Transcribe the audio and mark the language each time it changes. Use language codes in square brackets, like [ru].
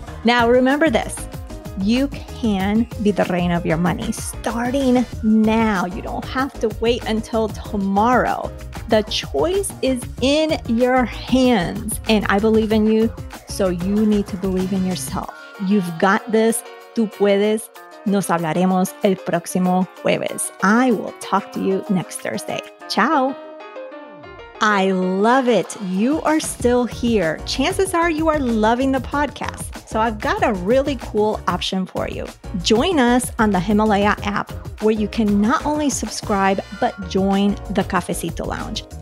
[en] Now, remember this, you can be the reina of your money starting now. You don't have to wait until tomorrow. The choice is in your hands, and I believe in you, so you need to believe in yourself. You've got this. [es] Tú puedes. Nos hablaremos el próximo jueves. [en] I will talk to you next Thursday. Ciao. I love it. You are still here. Chances are you are loving the podcast. So I've got a really cool option for you. Join us on the Himalaya app, where you can not only subscribe, but join the Cafecito Lounge.